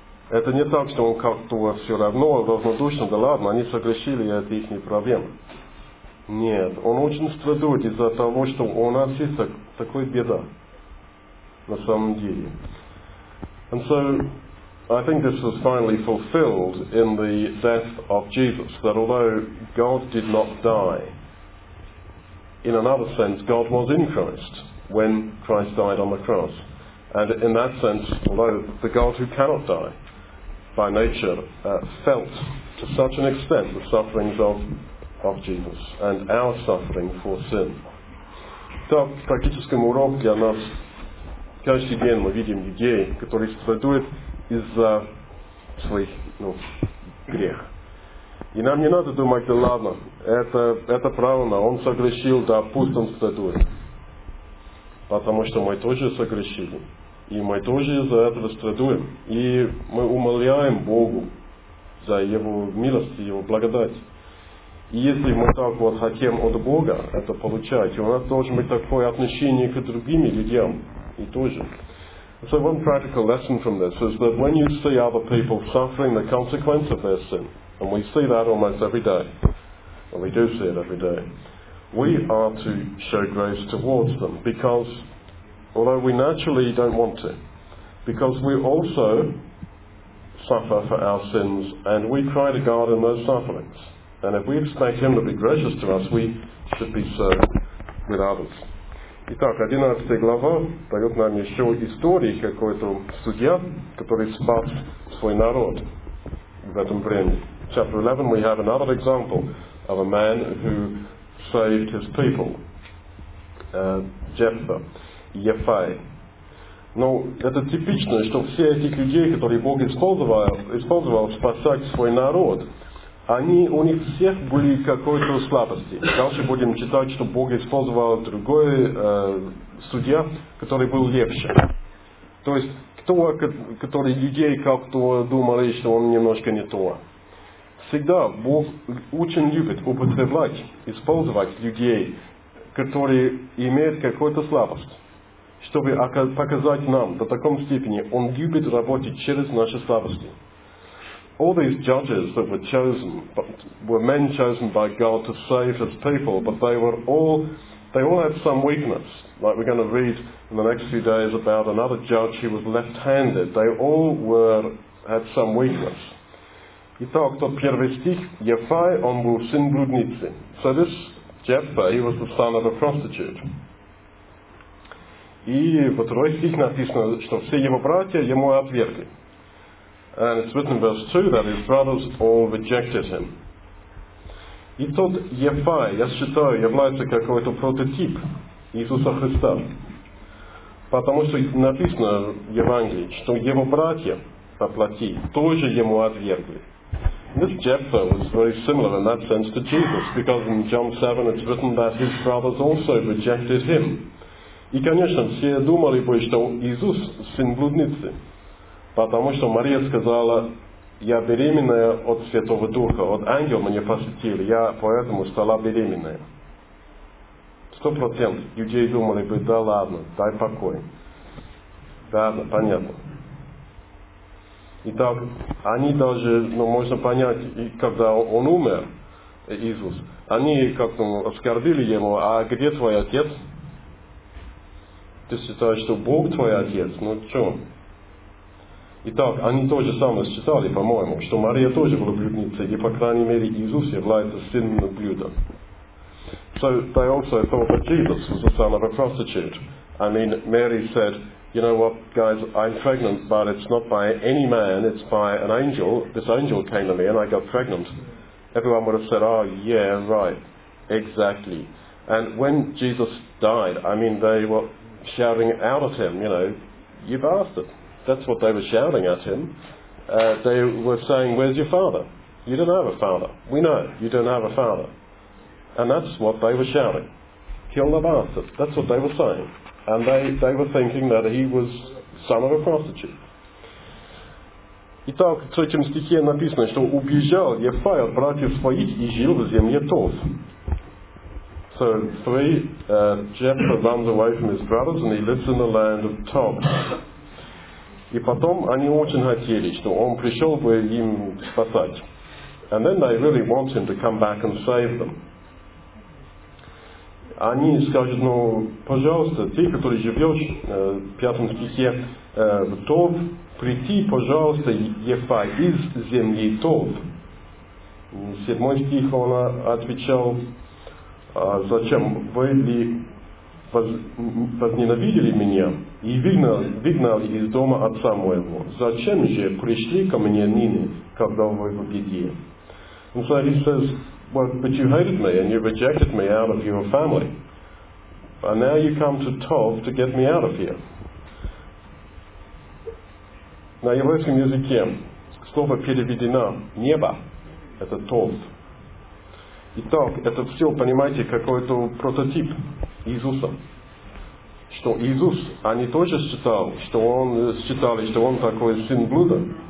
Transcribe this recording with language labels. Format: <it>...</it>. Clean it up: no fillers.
<ru>Это не так, что Он как-то все равно равнодушно, да ладно, они согрешили, это их проблема. Нет, Он очень страдает из-за того, что у нас есть такая беда на самом деле.</ru> <en>And so, I think this was finally fulfilled in the death of Jesus, that although God did not die, in another sense, God was in Christ when Christ died on the cross. And in that sense, although the God who cannot die by nature felt to such an extent the sufferings of Jesus and our suffering for sin.</en> <ru>Так, практическим уроком для нас каждый день мы видим людей, которые страдают из-за своих, ну, грех. И нам не надо думать, да ладно, это правильно, он согрешил, да пусть он страдует. Потому что мы тоже согрешили. И мы тоже из-за этого страдуем. И мы умоляем Богу за его милость и его благодать. И если мы так вот хотим от Бога это получать, у нас должно быть такое отношение к другим людям и тоже.</ru> <en>So one practical lesson from this is that when you see other people suffering the consequence of their sin, and we see that almost every day, and we do see it every day, we are to show grace towards them, because although we naturally don't want to, because we also suffer for our sins and we cry to God in those sufferings. And if we expect Him to be gracious to us, we should be so with others.</en> <ru>Итак, 11 глава дает нам еще истории какой-то судья, который спас свой народ в этом времени.</ru> <en>Chapter 11, we have another example of a man who saved his people. Jephthah, Ефай.</en> <ru>Но это типично, что все эти люди, которые Бог использовал спасать свой народ, они, у них всех были какой-то слабости. Дальше будем читать, что Бог использовал другой судья, который был легче. То есть, который людей как-то думали, что он немножко не то. Всегда Бог очень любит использовать людей, которые имеют какую-то слабость, чтобы показать нам до такой степени, он любит работать через наши слабости.</ru> <en>All these judges that were chosen were men chosen by God to save his people, but they all had some weakness. Like we're going to read in the next few days about another judge who was left-handed. They all had some weakness.</en> <ru>Итак, тот первый стих, Ефай, он был сын блудницы.</ru> <en>So this Jephthah, he was the son of a prostitute.</en> <ru>И второй стих написано, что все его братья ему отвергли.</ru> <en>And it's written in verse 2 that his brothers all rejected him.</en> <ru>И тот Ефай, я считаю, является какой-то прототип Иисуса Христа. Потому что написано в Евангелии, что его братья по плоти тоже ему отвергли.</ru> <en>This Jephthah was very similar in that sense to Jesus, because in John 7 it's written that his brothers also rejected him.</en> <ru>И, конечно, все думали бы, что Иисус сын блудницы, потому что Мария сказала, я беременная от Святого Духа, от ангела мне посетили, я поэтому стала беременная. 100% людей думали бы, да ладно, дай покой. Да, понятно. Итак, они даже, ну, можно понять, когда он умер, Иисус, они как-то оскорбили ему, а где твой отец? Ты считаешь, что Бог твой отец? Ну, что? Итак, они то же самое считали, по-моему, что Мария тоже была блудницей, и, по крайней мере, Иисус является сыном блюда.</ru> <en>So they also thought that Jesus was the son of a prostitute. I mean, Mary said, you know what, guys, I'm pregnant, but it's not by any man, it's by an angel. This angel came to me and I got pregnant. Everyone would have said, oh, yeah, right, exactly. And when Jesus died, I mean, they were shouting out at him, you know, you bastard. That's what they were shouting at him. They were saying, where's your father? You don't have a father. We know, you don't have a father. And that's what they were shouting. Kill the bastard. That's what they were saying. And they were thinking that he was son of a prostitute.</en> <ru>Итак, в третьем стихе написано, что убежал Ефай от братьев своих и жил в земле Тов.</ru> <en>So, Jephthah runs away from his brothers and he lives in the land of Tov.</en> <ru>И потом они очень хотели, что он пришел бы им спасать.</ru> <en>And then they really want him to come back and save them.</en> <ru>Они скажут, ну, пожалуйста, ты, который живешь в пятом стихе в Тов, прийти, пожалуйста, Ефай, из земли Тов. Седьмой стих он отвечал, зачем вы ли возненавидели меня и выгнали из дома отца моего? Зачем же пришли ко мне ныне, когда вы в беде?</ru> <en>And so he says, well, but you hated me and you rejected me out of your family. And now you come to Tov to get me out of here.</en> <ru>На еврейском языке слово переведено небо. Это Тов. Итак, это все, понимаете, какой-то прототип Иисуса. Что Иисус, они тоже считали, что он такой сын блуда.</ru>